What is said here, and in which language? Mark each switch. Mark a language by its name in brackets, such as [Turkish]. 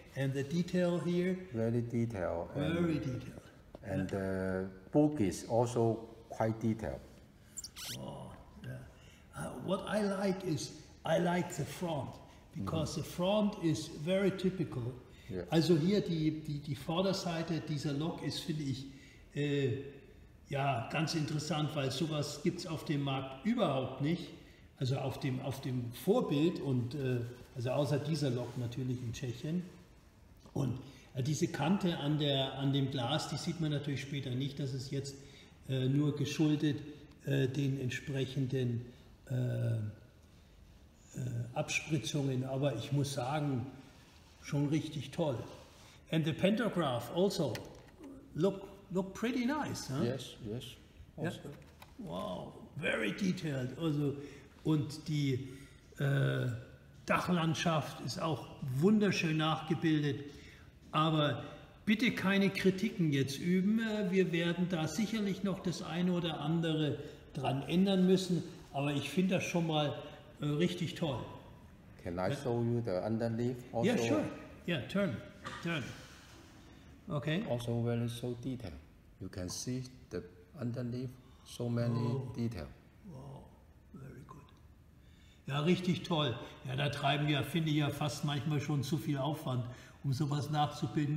[English] And the detail here? Very detailed. Very detailed. And yeah. The book is also quite detailed. Oh, yeah. What I like is I like the front because the front is very typical. Yeah. [German] Also hier die Vorderseite dieser Lok ist, finde ich, ja, ganz interessant, weil sowas gibt es auf dem Markt überhaupt nicht. Also auf dem Vorbild und also außer dieser Lok natürlich in Tschechien. Und diese Kante an dem Glas, die sieht man natürlich später nicht. Das ist jetzt nur geschuldet den entsprechenden Abspritzungen. Aber ich muss sagen, schon richtig toll. [English] And the pantograph also look pretty nice, huh? Yes. Also. Yeah. Wow, very detailed. [German] Also, und die Dachlandschaft ist auch wunderschön nachgebildet. Aber bitte keine Kritiken jetzt üben. Wir werden da sicherlich noch das eine oder andere dran ändern müssen. Aber ich finde das schon mal richtig toll. [English] Can I show you the underneath also? Yeah, sure. Yeah, turn. Okay. Also very so detailed. You can see the underneath so many detail. Wow, very good. [German] Ja, richtig toll. Ja, da treiben wir, finde ich, ja fast manchmal schon zu viel Aufwand, um sowas nachzubilden.